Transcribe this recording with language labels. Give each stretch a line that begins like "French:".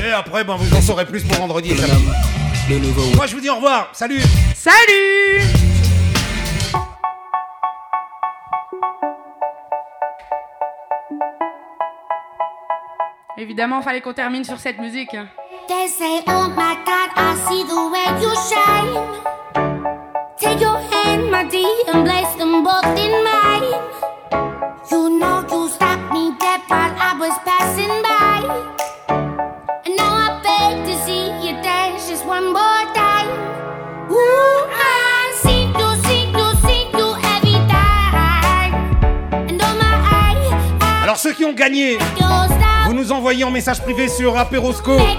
French: Et après, ben, vous en saurez plus pour vendredi et samedi. le nouveau. Moi je vous dis au revoir, salut. Salut. Évidemment, il fallait qu'on termine sur cette musique.
English: They say, oh my God, I see the way you shine. Take your hand, my dear, and place them both in mine. You know you stopped me dead while I was passing by. And now I beg to see you dance just one more time. Ooh, I see you, see you, see you every time. And oh my God.
French: Alors ceux qui ont gagné, vous nous envoyez en message privé sur Ape'Rosco.